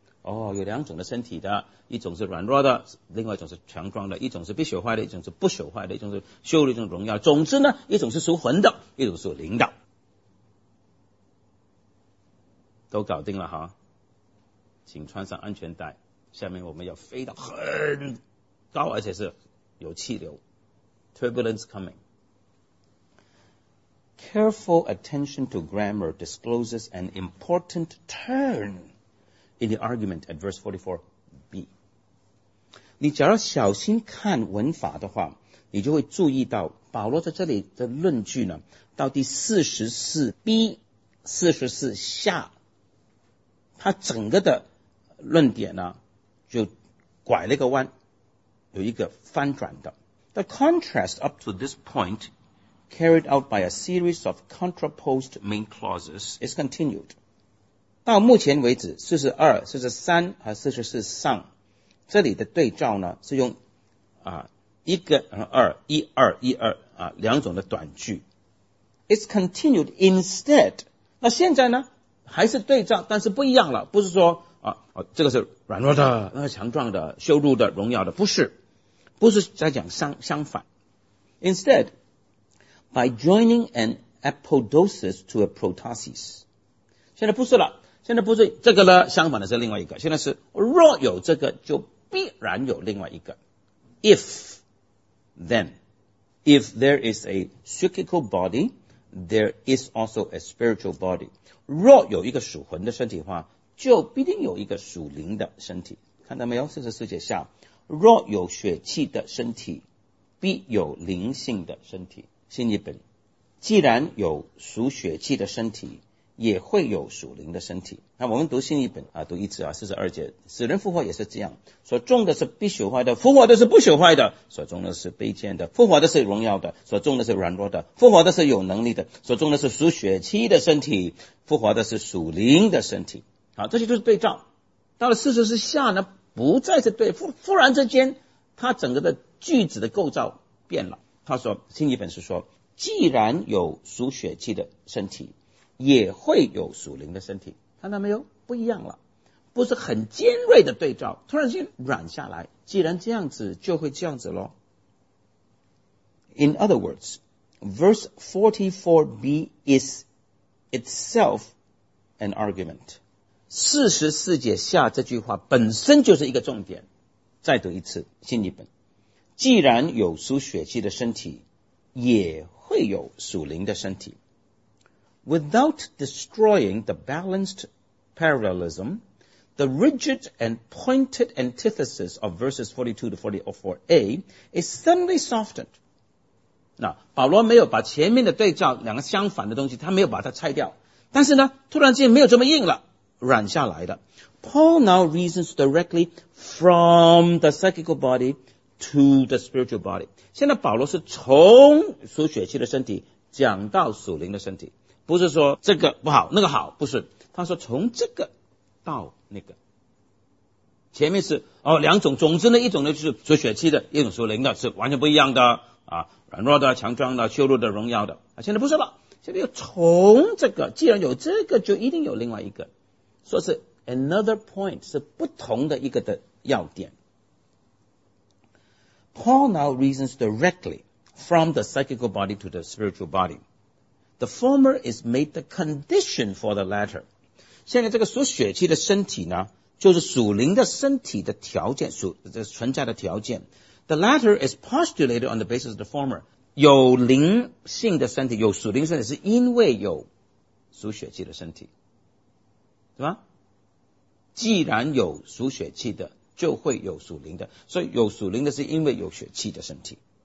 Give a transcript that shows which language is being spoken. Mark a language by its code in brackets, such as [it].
[zh] 哦，有两种的身体的，一种是软弱的，另外一种是强壮的，一种是必朽坏的，一种是不朽坏的，一种是羞辱，一种荣耀，总之呢，一种是属魂的，一种是属灵的，都搞定了哈，请穿上安全带，下面我们要飞到很高，而且是有气流 [en] turbulence coming. Careful attention to grammar discloses an important turn in the argument at verse 44b. [zh] 你假如小心看文法的话，你就会注意到保罗在这里的论据呢，到第 44b 44下他整个的论点呢就拐了个弯，有一个翻转的。 [en] The contrast up to this point carried out by a series of contraposed main clauses is continued. [zh] 到目前为止42、43和44上这里的对照呢是用一个二两种的短句。 [en] It's continued instead. [zh] 那现在呢还是对照，但是不一样了，不是说这个是软弱的，那个强壮的，羞辱的，荣耀的，不是，不是在讲相反。 [en] Instead, by joining an apodosis to a protosis. [zh] 现在不是了，现在不是这个了，相反的是另外一个，现在是若有这个就必然有另外一个。 [en] If, then, if there is a psychical body, there is also a spiritual body. [zh] 若有一个属魂的身体的话，就必定有一个属灵的身体。看到没有？ 44节下，若有血气的身体，必有灵性的身体。新译本，既然有属血气的身体，也会有属灵的身体。那我们读新译本啊，读一次啊，42节，死人复活也是这样，所种的是必朽坏的，复活的是不朽坏的，所种的是卑贱的，复活的是荣耀的，所种的是软弱的，复活的是有能力的，所种的是属血气的身体，复活的是属灵的身体。好，这些就是对照。到了44下呢，不再是对，忽然之间他整个的句子的构造变了。他说，新译本是说，既然有属血气的身体，也会有属灵的身体。看到没有？不一样了。不是很尖锐的对照，突然间软下来，既然这样子就会这样子咯。 [en] In other words, verse 44b is itself an argument. [zh] 44节下这句话本身就是一个重点。再读一次，新译本。既然有属血气的身体，也会有属灵的身体。 [en] Without destroying the balanced parallelism, the rigid and pointed antithesis of verses 42 to 44a is suddenly softened. [zh] 那保罗没有把前面的对照两个相反的东西，他没有把它拆掉，但是呢，突然间没有这么硬了，软下来的。 [en] Paul now reasons directly from the psychical body to the spiritual body. [zh] 现在保罗是从属血气的身体讲到属灵的身体。不是说这个不好那个好，不是，他说从这个到那个，前面是两种，总之呢一种呢就是属血气的，一种属灵的，是完全不一样的啊，软弱的，强壮的，羞辱的，荣耀的啊，现在不是了，现在又从这个，既然有这个就一定有另外一个，说是 [en] another point， [zh] 是不同的一个的要点。 [en] Paul now reasons directly from the psychical body to the spiritual bodyThe former is made the condition for the latter. [zh] 现在这个属血气的身体呢，就是属灵的身体的条件，存在的条件。 [en] The latter is postulated on the basis of the former. [zh] 有灵性的身体，有属灵身体，是因为有属血气的身体，是吧？既然有属血气的，就会有属灵的，所以有属灵的是因为有血气的身体。